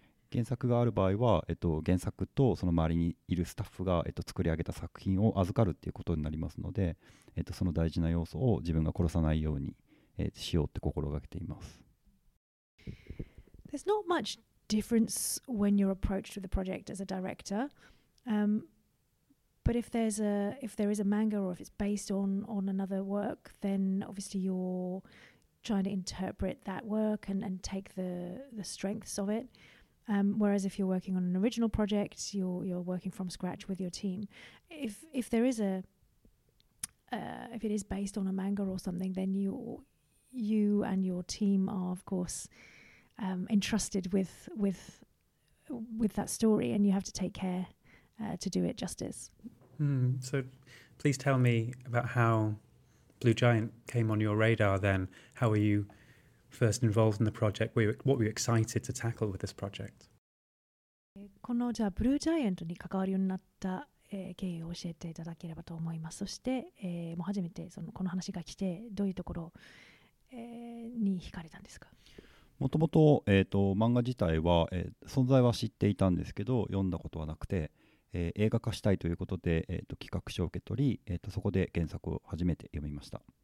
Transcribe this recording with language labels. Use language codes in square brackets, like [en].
[ja] 原作がある場合は原作とその周りにいるスタッフが作り上げた作品を預かるっていうことになりますのでその大事な要素を自分が殺さないようにしようって心がけています。 [en] There's not much difference when you're approached with a project as a director, but if there is a manga or if it's based on another work, then obviously you're trying to interpret that work and take the strengths of it. Whereas if you're working on an original project, you're working from scratch with your team. If it is based on a manga or something, then you and your team are of course. Entrusted with that story, and you have to take care to do it justice. So, please tell me about how Blue Giant came on your radar. Then, how were you first involved in the project? What were you excited to tackle with this project? [ja] このじゃあ Blue Giant に関わるようになった経緯を教えていただければと思います。そしてもう初めてそのこの話が来てどういうところに惹かれたんですか。もともと、漫画自体は、存在は知っていたんですけど読んだことはなくて、映画化したいということで、企画書を受け取り、そこで原作を初めて読みました。